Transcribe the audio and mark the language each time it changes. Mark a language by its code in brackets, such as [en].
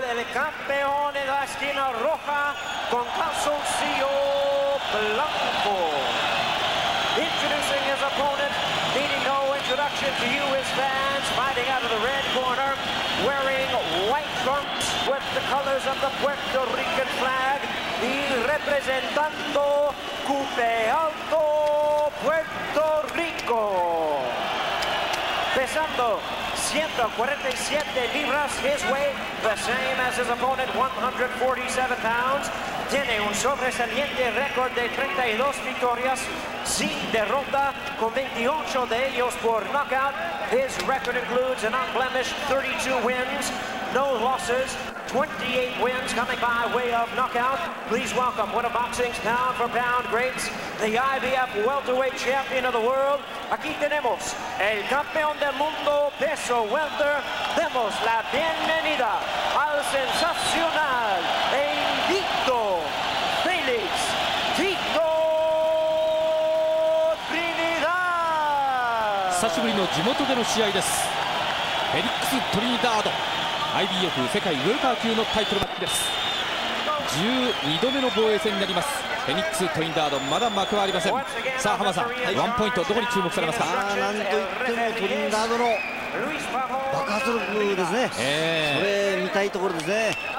[es] Campeón en la esquina roja con calzoncillo blanco. [en] Introducing his opponent, needing no introduction to you, his fans, fighting out of the red corner, wearing white trunks with the colors of the Puerto Rican flag, [es] y representando [en] Cupe Alto, Puerto Rico. [es] Pesando 147 libras, [en] his weight, the same as his opponent, 147 pounds. [es] Tiene un sobresaliente récord de 32 victorias, sin derrota, con 28 de ellos por knockout. [en] His record includes an unblemished 32 wins, no losses, 28 wins coming by way of knockout. Please welcome one of boxing's pound for pound greats, the IBF welterweight champion of the world. [es] Aquí tenemos el campeón del mundo peso welter. Demos la bienvenida al sensacional e invicto Félix Tito Trinidad. [ja] 久しぶりの地元での試合です。フェリックス・トリニダード、 IBF 世界ウェルター級のタイトルマッチです。 12度目の防衛戦になります。フェニックス・トリニダード、まだ幕はありません。さあ浜さん、はい、ワンポイントどこに注目されますか。なんといってもトリニダードの爆発力ですね、それ見たいところですね。